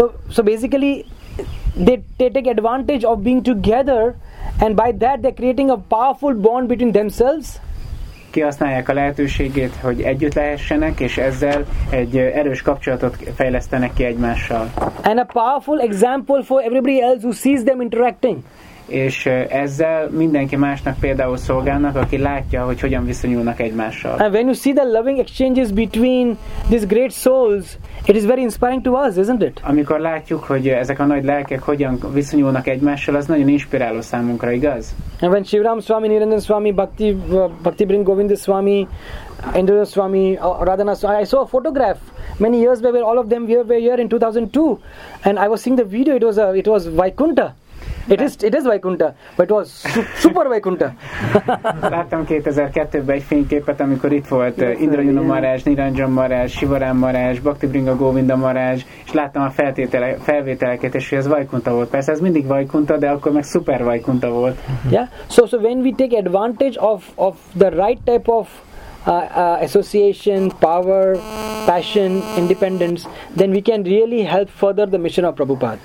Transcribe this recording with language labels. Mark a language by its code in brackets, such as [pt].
[en] So basically they take advantage of being together, and by that they're creating a powerful bond between themselves. [hu] Kihasználják a lehetőségét, hogy együtt lehessenek, és ezzel egy erős kapcsolatot fejlesztenek ki egymással. [en] And a powerful example for everybody else who sees them interacting. [hu] És ezzel mindenki másnak például szolgálnak, aki látja, hogy hogyan viszonyulnak egymással. [en] And when you see the loving exchanges between these great souls, it is very inspiring to us, isn't it? [hu] Amikor látjuk, hogy ezek a nagy lelkek hogyan viszonyulnak egymással, az nagyon inspiráló számunkra, igaz? [en] And when Shivaram Swami, Nirandan Swami, Bhakti Brind Govinda Swami, Indra Swami, Radhana Swami, I saw a photograph many years back where all of them were here in 2002. And I was seeing the video, it was Vaikuntha. It is Vaikuntha, but it was super Vaikuntha. [hu] Láttam 2002-ben egy fényképet, amikor itt volt Indrajuna Maharaj, Niranjan Maharaj, Shivaram Maharaj, Bhakti Brinda Govinda Maharaj, és láttam a felvételeket, és ez Vaikuntha volt. Persze ez mindig Vaikuntha, de akkor meg super Vaikuntha volt. [en] Yeah. So when we take advantage of the right type of association, power, passion, independence, then we can really help further the mission of Prabhupada.